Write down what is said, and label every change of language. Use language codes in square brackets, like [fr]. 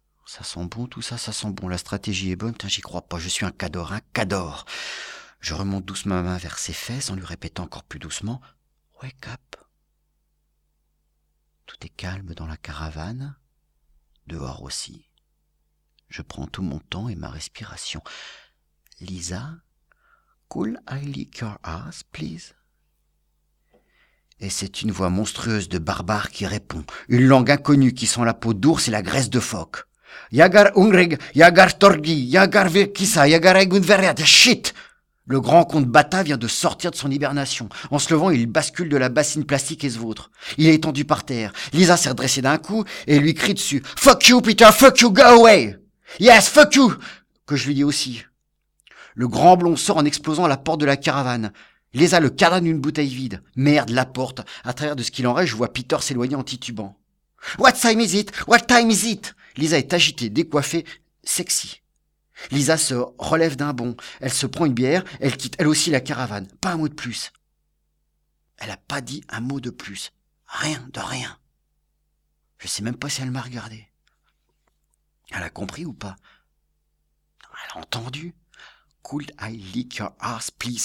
[fr] Ça sent bon, tout ça, ça sent bon. La stratégie est bonne, tiens, j'y crois pas. Je suis un cador. Je remonte doucement ma main vers ses fesses en lui répétant encore plus doucement « [en] Wake up ». [fr] Tout est calme dans la caravane, dehors aussi. Je prends tout mon temps et ma respiration. [en] « Lisa, could I lick your ass, please ?» [fr] Et c'est une voix monstrueuse de barbare qui répond. Une langue inconnue qui sent la peau d'ours et la graisse de phoque. Yagar Ungreg, Yagar Torgi, Yagar Vekisa, Yagar Egunveria, de shit! Le grand comte Bata vient de sortir de son hibernation. En se levant, il bascule de la bassine plastique et se vautre. Il est étendu par terre. Lisa s'est redressée d'un coup et lui crie dessus. [en] Fuck you, Peter, fuck you, go away! Yes, fuck you! [fr] Que je lui dis aussi. Le grand blond sort en explosant à la porte de la caravane. Lisa le cadran d'une bouteille vide. Merde, la porte. À travers de ce qu'il en reste, je vois Peter s'éloigner en titubant. [en] What time is it? [fr] What time is it? Lisa est agitée, décoiffée, sexy. Lisa se relève d'un bond. Elle se prend une bière, elle quitte elle aussi la caravane. Pas un mot de plus. Elle n'a pas dit un mot de plus. Rien de rien. Je ne sais même pas si elle m'a regardé. Elle a compris ou pas? Elle a entendu. [en] Could I lick your ass, please?